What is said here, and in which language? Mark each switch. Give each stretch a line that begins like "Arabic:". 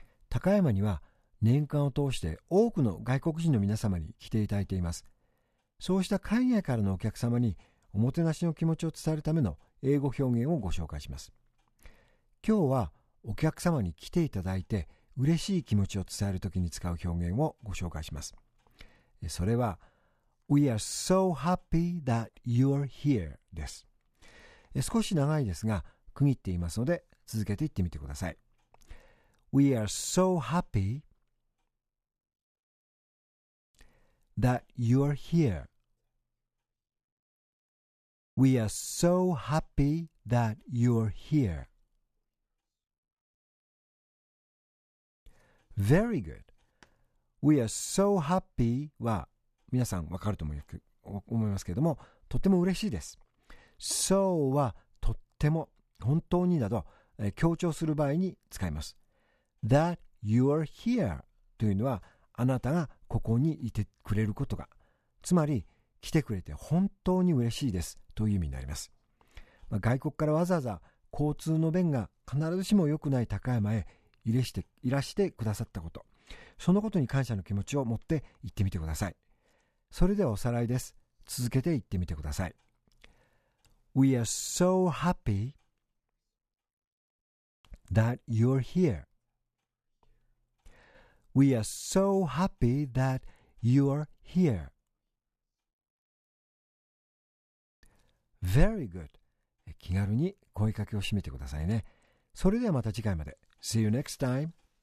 Japanese: 高山には年間を通して多くの外国人の皆様に来ていただいています。そうした海外からのお客様におもてなしの気持ちを伝えるための英語表現をご紹介します。今日はお客様に来ていただいて嬉しい気持ちを伝えるときに使う表現をご紹介します。それは、
English: We are so happy that you are here
Japanese: です。少し長いですが、区切っていますので、続けていってみてください。
English: We are so happy that you are here.We are so happy that you are here.Very good.We are so happy
Japanese: は皆さんわかると思いますけれども、とても嬉しいです。
English: So
Japanese: はとっても、本当になど、強調する場合に使います。
English: That you are here
Japanese: というのは、あなたがここにいてくれることが、つまり来てくれて本当に嬉しいですという意味になります。まあ、外国からわざわざ交通の便が必ずしも良くない高山へいらしてくださったこと、そのことに感謝の気持ちを持って行ってみてください。それではおさらいです。続けて言ってみてください。
English: We are so happy that you're here.We are so happy that you're here.Very good.
Japanese: 気軽に声かけを締めてくださいね。それではまた次回まで。
English: See you next time.